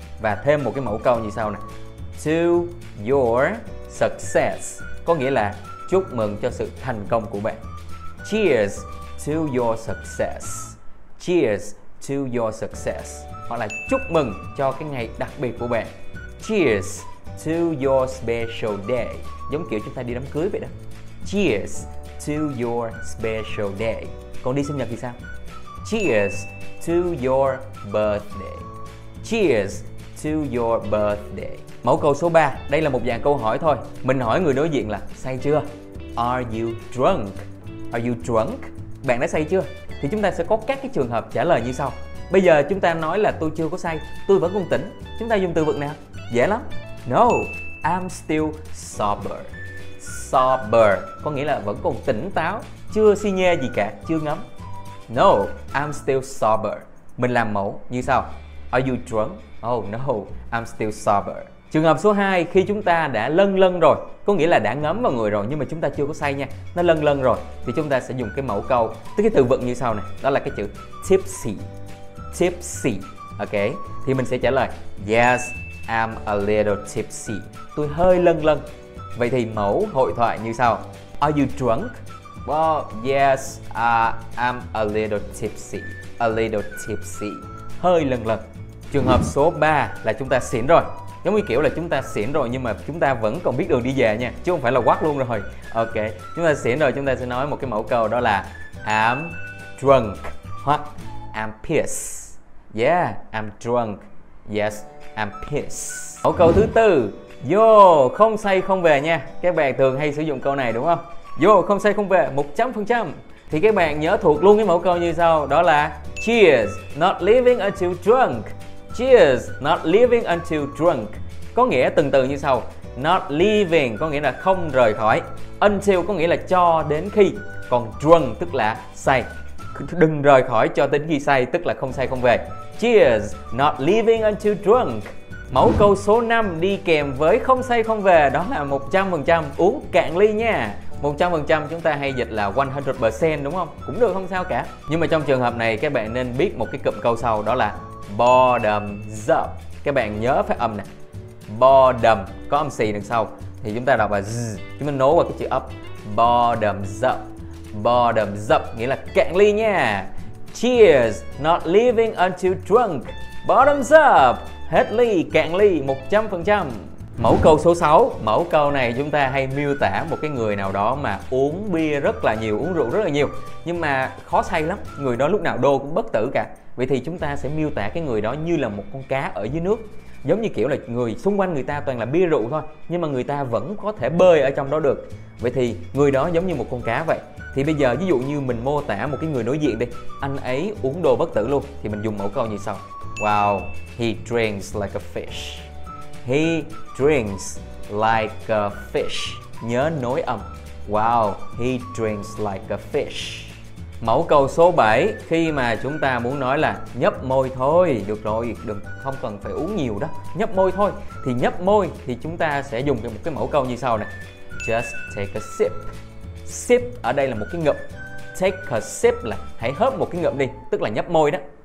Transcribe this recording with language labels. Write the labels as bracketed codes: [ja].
[vi] Và thêm một cái mẫu câu như sau nè. [en] To your success. [vi] Có nghĩa là chúc mừng cho sự thành công của bạn. [en] Cheers to your success. Cheers to your success. [vi] Hoặc là chúc mừng cho cái ngày đặc biệt của bạn. [en] Cheers to your special day. [vi] Giống kiểu chúng ta đi đám cưới vậy đó. [en] Cheers to your special day. [vi] Còn đi sinh nhật thì sao? [en] Cheers to your birthday. Cheers to your birthday. [vi] Mẫu câu số 3, đây là một dạng câu hỏi thôi. Mình hỏi người đối diện là say chưa? [en] Are you drunk? Are you drunk? [vi] Bạn đã say chưa? Thì chúng ta sẽ có các cái trường hợp trả lời như sau. Bây giờ chúng ta nói là tôi chưa có say, tôi vẫn còn tỉnh. Chúng ta dùng từ vựng nào? Dễ lắm. [en] No, I'm still sober. [vi] Sober có nghĩa là vẫn còn tỉnh táo, chưa si nhê gì cả, chưa ngấm. [en] No, I'm still sober. [vi] Mình làm mẫu như sau. [en] Are you drunk? Oh no, I'm still sober. [vi] Trường hợp số 2, khi chúng ta đã lâng lâng rồi, có nghĩa là đã ngấm vào người rồi nhưng mà chúng ta chưa có say nha. Nó lâng lâng rồi thì chúng ta sẽ dùng cái mẫu câu, tức cái từ vựng như sau này, đó là cái chữ tipsy. Tipsy. Ok. Thì mình sẽ trả lời [en] yes, I'm a little tipsy. [vi] Tôi hơi lâng lâng. Vậy thì mẫu hội thoại như sau. [en] Are you drunk? Well, yes, I'm a little tipsy. A little tipsy. [vi] Hơi lâng lâng. Trường hợp số 3 là chúng ta xỉn rồi. Giống như kiểu là chúng ta xỉn rồi nhưng mà chúng ta vẫn còn biết đường đi về nha, chứ không phải là quắc luôn rồi. Ok, chúng ta xỉn rồi, chúng ta sẽ nói một cái mẫu câu, đó là [en] I'm drunk [vi] hoặc [en] I'm pissed. Yeah, I'm drunk. Yes, I'm pissed. [vi] Mẫu câu thứ tư. Yo, không say không về nha. Các bạn thường hay sử dụng câu này đúng không? Yo, không say không về, 100%. thì các bạn nhớ thuộc luôn cái mẫu câu như sau, đó là [en] Cheers, not leaving until drunk. Cheers, not leaving until drunk. [vi] Có nghĩa từng từ như sau. Not leaving có nghĩa là không rời khỏi. Until có nghĩa là cho đến khi. Còn drunk tức là say. Đừng rời khỏi cho đến khi say, tức là không say không về. [en] Cheers, not leaving until drunk. [vi] Mẫu câu số 5 đi kèm với không say không về, đó là 100% uống cạn ly nha. 100% chúng ta hay dịch là 100%, đúng không? Cũng được, không sao cả. Nhưng mà trong trường hợp này các bạn nên biết một cái cụm câu sau, đó là bottoms up. Các bạn nhớ phát âm nè. Bottom có âm xì đằng sau thì chúng ta đọc là z, chúng ta nối qua cái chữ up. [en] Bottoms up. Bottoms up [vi] nghĩa là cạn ly nha. [en] Cheers, not leaving until drunk. Bottoms up. [vi] Hết ly, cạn ly 100%. Mẫu câu số 6. Mẫu câu này chúng ta hay miêu tả một cái người nào đó mà uống bia rất là nhiều, uống rượu rất là nhiều, nhưng mà khó say lắm. Người đó lúc nào đô cũng bất tử cả. Vậy thì chúng ta sẽ miêu tả cái người đó như là một con cá ở dưới nước. Giống như kiểu là người xung quanh người ta toàn là bia rượu thôi, nhưng mà người ta vẫn có thể bơi ở trong đó được. Vậy thì người đó giống như một con cá vậy. Thì bây giờ ví dụ như mình mô tả một cái người đối diện đi, anh ấy uống đồ bất tử luôn, thì mình dùng mẫu câu như sau. [en] Wow, he drinks like a fish. He drinks like a fish. [vi] Nhớ nối âm. [en] Wow, he drinks like a fish. [vi] Mẫu câu số 7, khi mà chúng ta muốn nói là nhấp môi thôi, được rồi, đừng, không cần phải uống nhiều đó, nhấp môi thôi. Thì nhấp môi thì chúng ta sẽ dùng một cái mẫu câu như sau nè. [en] Just take a sip. [vi] Sip ở đây là một cái ngụm. [en] Take a sip [vi] là hãy hớp một cái ngụm đi, tức là nhấp môi đó.